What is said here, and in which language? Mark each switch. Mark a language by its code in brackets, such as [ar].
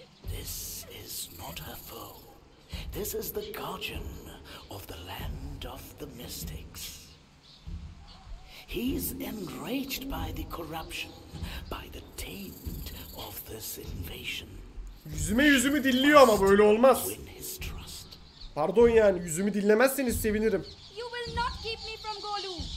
[en] This is not her foe. This is the guardian of the land of the mystics. He's enraged by the corruption, by the taint of this invasion. [tr] Yüzüme yüzümü dinliyor ama böyle olmaz. Pardon yani yüzümü dinlemezseniz sevinirim. [en] You will not keep me from Golu.